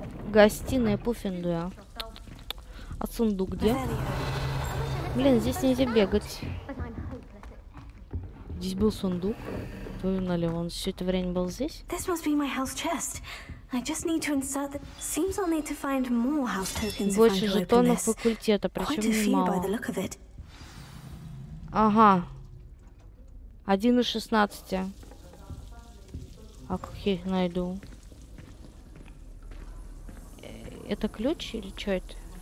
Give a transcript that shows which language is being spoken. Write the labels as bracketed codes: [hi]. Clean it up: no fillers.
[ru] Гостиная Пуффендуя. А сундук где? Блин, здесь нельзя бегать. Здесь был сундук. Твою налево, он все это время был здесь? [en] This must be my house chest. I just need to insert the... Seems I'll need to find more house tokens. [ru] Больше жетонов факультета, причем немало. Ага. 1 из 16. А как я их найду? Это ключ или что это?